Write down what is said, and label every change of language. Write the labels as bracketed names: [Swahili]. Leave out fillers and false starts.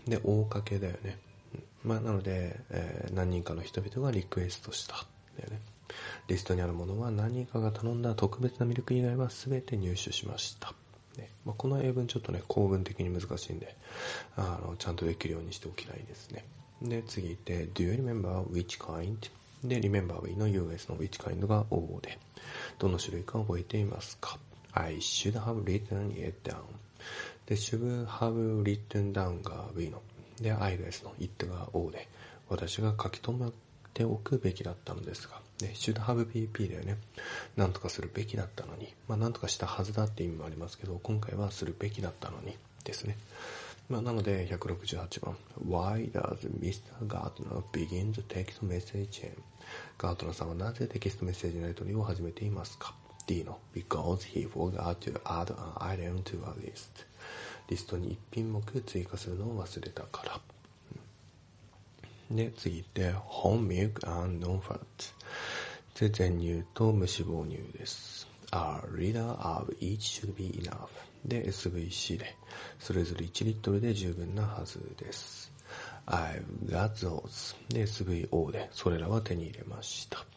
[Japanese] で、O かけだよね。まあ、なので、何人かの人々がリクエストしただよ、ね、リストにあるものは何人かが頼んだ特別なミルク以外は全て入手しました、ね。まあ、この英文ちょっとね、構文的に難しいんで、ちゃんとできるようにしておきたいですね。で、次行って [English] Do you remember which kind? [Japanese] で、Remember we の US の which kind が O で、どの種類か覚えていますか。 [English] I should have written it down [Japanese] で、Should have written down が V ので、 I が S の it が O で、私が書き留めておくべきだったのですが、で、 should have PP だよね、なんとかするべきだったのに、まあ、なんとかしたはずだって意味もありますけど、今回はするべきだったのにですね。 [English] まあ、なので168番、 Why does Mr. Gardner begin the text message chain? [Japanese] ガートナーさんはなぜテキストメッセージのやり取りを始めていますか。 [English] D の Because he forgot to add an item to a list [Japanese] リストに一品目追加するのを忘れたから。で、次行って、whole milk and non-fat。で、全乳と無脂肪乳です。 [English] A liter of each should be enough。 [Japanese] で、SVC で、それぞれ1リットルで十分なはずです。 [English] I've got those。 [Japanese] で、SVO で、それらは手に入れました。